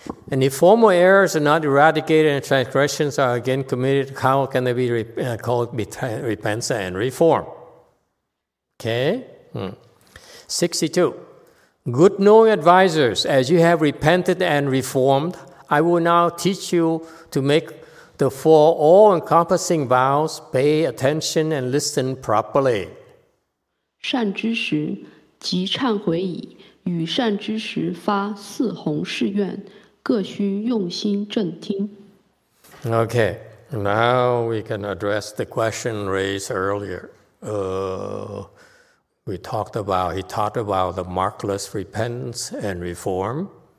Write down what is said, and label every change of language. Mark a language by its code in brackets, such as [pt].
[en] And if former errors are not eradicated and transgressions are again committed, how can they be called repentance and reform? Okay? 62. Good knowing advisors, as you have repented and reformed, I will now teach you to make the four all-encompassing vows, pay attention and listen properly. [zh] 善知识即忏悔矣，与善知识发四弘誓愿，各须用心正听。 [en] Okay, now we can address the question raised earlier. He talked about the markless repentance and reform.